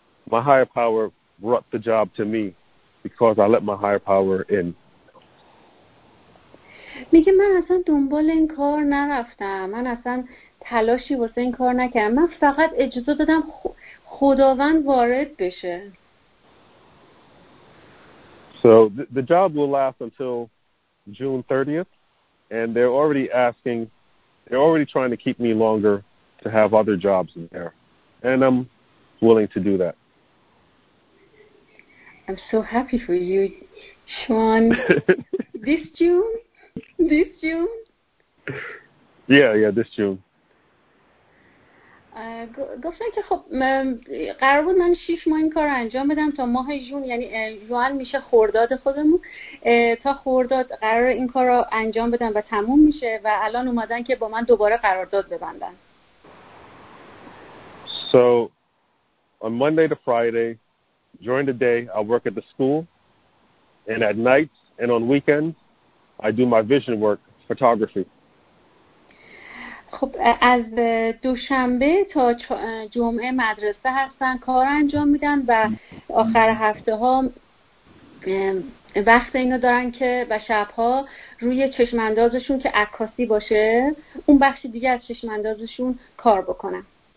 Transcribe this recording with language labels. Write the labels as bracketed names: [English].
[English] My higher power brought the job to me because I let my higher power in. [Persian] میگه من اصلا دنبال این کار نرفتم، من اصلا تلاشی واسه این کار نکردم، من فقط اجازه دادم خداوند وارد بشه. [English] So the job will last until June 30th and they're already asking, they're already trying to keep me longer to have other jobs in there and I'm willing to do that. I'm so happy for you, Sean. This June? This June? Yeah, this June. [Persian] گفتن که خب قرار بود من 6 ماه این کار انجام بدم تا ماه جون، یعنی جوان میشه خورداد خودمون، تا خورداد قرار این کار رو انجام بدم و تموم میشه و الان اومدن که با من دوباره قرارداد ببندن. [English] So on Monday to Friday during the day I work at the school and at night and on weekends I do my vision work, photography. [Persian] خب از دوشنبه تا جمعه مدرسه هستن، کار انجام میدن و آخر هفته ها وقت اینو دارن که و شب ها روی چشم اندازشون که عکاسی باشه، اون بخش دیگه از چشم اندازشون کار بکنن.